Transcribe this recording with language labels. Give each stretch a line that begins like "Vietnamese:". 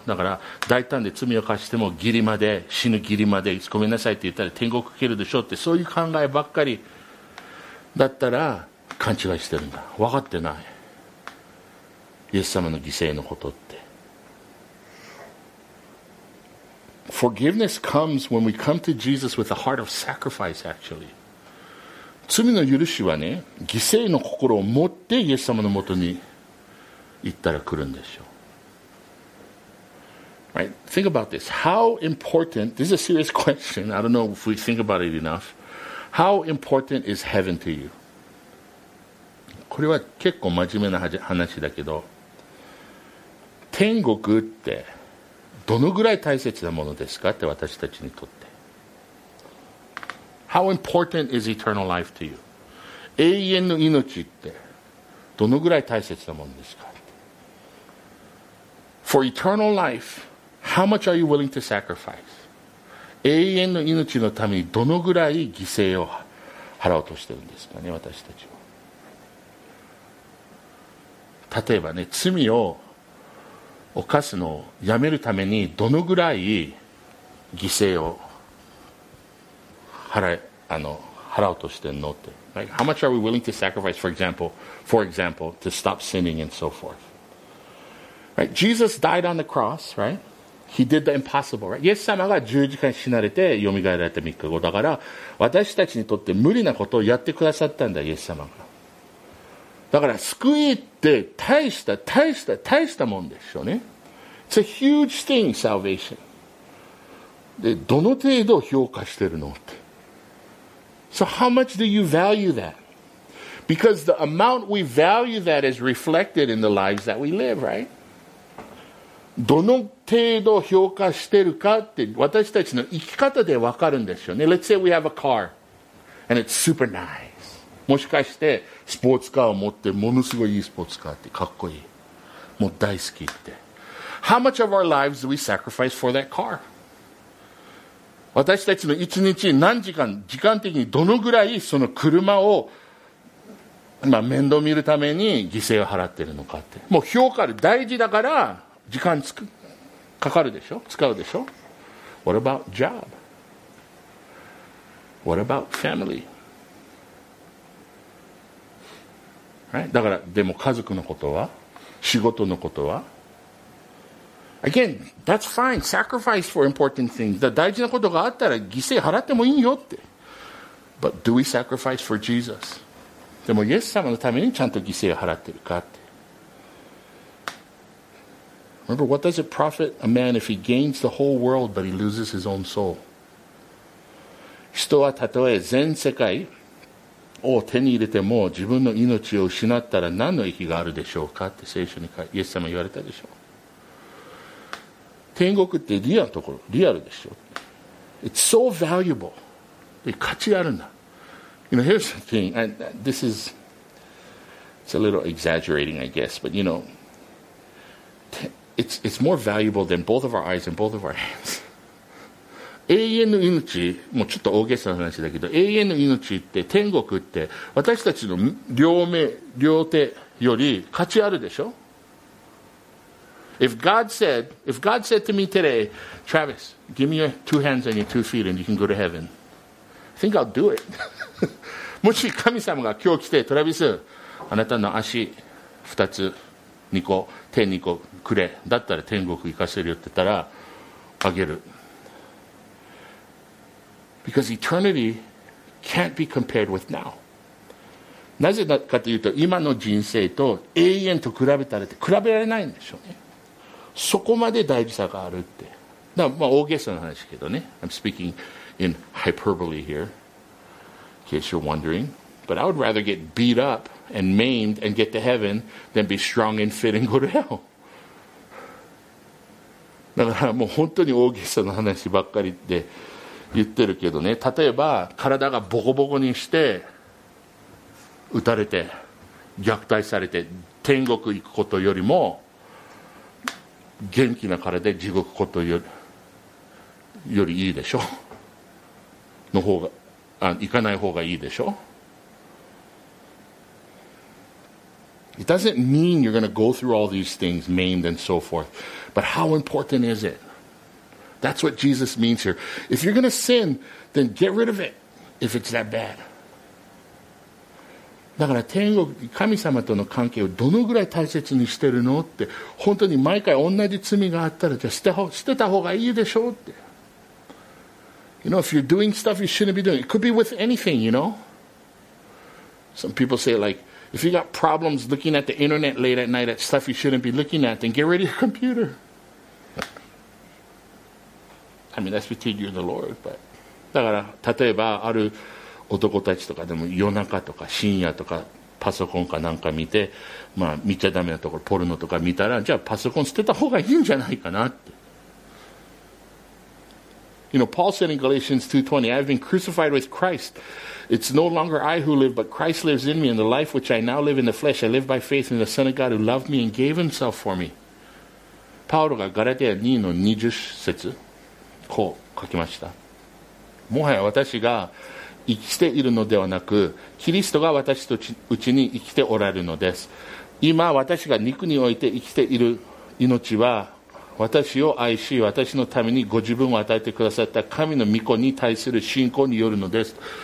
Japanese: だから大胆で罪を犯してもギリまで死ぬギリまでごめんなさいって言ったら天国行けるでしょって、そういう考えばっかりだったら勘違いしてるんだ。分かってないイエス様の犠牲のことって。
English: Forgiveness comes when we come to Jesus with a heart of sacrifice actually.
Japanese: 罪の許しはね、犠牲の心を持ってイエス様のもとに行ったら来るんでしょう。
English: Right? Think about this. How important, this is a serious question. I don't know if we think about it enough. How important is heaven to you?
Japanese: これは結構真面目な話だけど、天国ってどのぐらい大切なものですかって私たちにとって。
English: How important is eternal life to you?
Japanese: 永遠の命ってどのぐらい大切なものですか?
English: For eternal life, how much are you willing to sacrifice?
Japanese: 永遠の命のためにどのぐらい犠牲を払おうとしてるんですかね、私たちは。例えばね、罪を犯すのをやめるためにどのぐらい犠牲を払おうとしてんのって、
English: right? How much are we willing to sacrifice, for example, to stop sinning and so forth? Right? Jesus died on the cross, right? He did the impossible, right?
Japanese: イエス様が十字架に死なれて蘇られた3日後だから、私たちにとって無理なことをやってくださったんだ、イエス様が。だから救いって大したもんでしょうね。
English: It's a huge thing, salvation.
Japanese: で、どの程度評価してるのって。
English: So how much do you value that? Because the amount we value that is reflected in the lives that we live, right?
Japanese: どの程度評価してるかって私たちの生き方で分かるんでしょうね。
English: Let's say we have a car and it's super nice.
Japanese: もしかしてスポーツカーを持ってものすごいいいスポーツカーってかっこいい。もう大好きって。
English: How much of our lives do we sacrifice for that car?
Japanese: 私たちの一日何時間、時間的にどのぐらいその車を、面倒見るために犠牲を払ってるのかって。もう評価で大事だから時間つく、かかるでしょ? 使うでしょ?
English: What about job? What about family? Right?
Japanese: だから、でも家族のことは? 仕事のことは?
English: Again, that's fine. Sacrifice for important things.
Japanese: 大事なことがあったら犠牲払ってもいいよって。
English: But do we sacrifice for Jesus?
Japanese: でもイエス様のためにちゃんと犠牲を払ってるかって。
English: Remember, what does it profit a man if he gains the whole world but he loses his own soul?
Japanese: 人はたとえ全世界を手に入れても自分の命を失ったら何の益があるでしょうかって聖書にイエス様言われたでしょう。天国ってリアルところ、リアルでしょ。
English: It's so valuable.
Japanese: で、価値あるんだ。
English: You know, here's the thing. It's a little exaggerating, I guess. But you know, it's more valuable than both of our eyes and both of our hands.
Japanese: 永遠の命、もうちょっと大げさな話だけど、永遠の命って、天国って、私たちの両手より価値あるでしょ。
English: If God said to me today, Travis, give me your two hands and your two feet and you can go to heaven, I think I'll do it.
Japanese: もし神様が今日来て、トラビス、あなたの足二つ、 2個天2個くれ、だったら天国行かせるよって言ったらあげる。
English: Because eternity can't be compared with now。
Japanese: なぜかというと今の人生と永遠と比べたらって比べられないんでしょうね。そこまで大事さがあるって。だからまあ大げさな話けどね、
English: I'm speaking in hyperbole here in case you're wondering。 But I would rather get beat up and maimed and get to heaven than be strong and fit and go to hell.
Japanese: だからもう本当に大げさな話ばっかりって言ってるけどね、例えば体がボコボコにして打たれて虐待されて天国行くことよりも元気な体で地獄ことよりいいでしょの方が、あ、行かない方がいいでしょ。
English: It doesn't mean you're going to go through all these things, maimed and so forth. But how important is it? That's what Jesus means here. If you're going to sin, then get rid of it, if it's that bad.
Japanese: だから天国、神様との関係をどのぐらい大切にしてるのって、本当に毎回同じ罪があったら、じゃあ捨てた方がいいでしょうって。
English: You know, if you're doing stuff you shouldn't be doing, it could be with anything, you know? Some people say like,If you got problems looking at the internet late at night at stuff you shouldn't be looking at, then get rid of your computer. I mean, that's between you and the Lord, but...
Japanese: だから例えばある男たちとかでも夜中とか深夜とかパソコンかなんか見て、まあ見ちゃダメなところポルノとか見たら、じゃあパソコン捨てた方がいいんじゃないかなって。
English: You know, Paul said in Galatians 2:20, I've been crucified with Christ. It's no longer I who live, but Christ lives in me. And the life which I now live in the flesh, I live by faith in the Son of God who loved me and gave himself for me.
Japanese: パウロがガラテヤ 2:20 こう書きました。もはや私が生きているのではなく、キリストが私とうちに生きておられるのです。今私が肉において生きている命は、私を愛し私のためにご自分を与えてくださった神の御子に対する信仰によるのです。